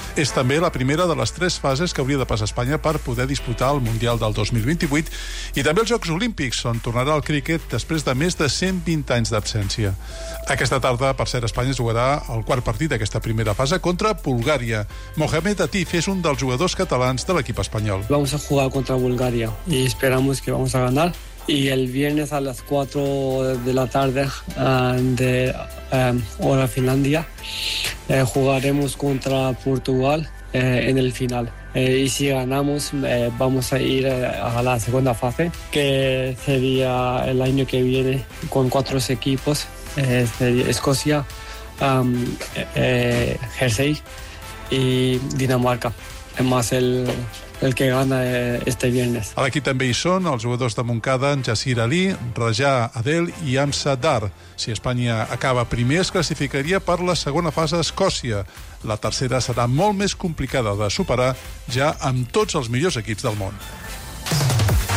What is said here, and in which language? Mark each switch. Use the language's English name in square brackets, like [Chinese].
[Catalan] És també la primera de les 3 fases que hauria de passar Espanya per poder disputar el Mundial del 2028 i també els Jocs Olímpics, on tornarà el cricket després de més de 120 anys d'absència. Aquesta tarda, per cert, Espanya jugarà el quart partit d'aquesta primera fase contra Bulgària. Mohamed Atif és un dels jugadors catalans de l'equip espanyol. [Spanish] Vamos a jugar contra Bulgària y esperamos que vamos a ganar. Y el viernes a las 4 de la tarde de hora Finlandia jugaremos contra Portugal en el final. Y si ganamos vamos a ir a la segunda fase, que sería el año que viene con 4 equipos. Escocia, Jersey y Dinamarca, más el que gana este viernes. [Catalan] A l'equip també hi són els jugadors de Montcada, en Jassir Ali, Rajà Adel i Amsa Dar. Si Espanya acaba primer, es classificaria per la segona fase a Escòcia. La tercera serà molt més complicada de superar, ja amb tots els millors equips del món.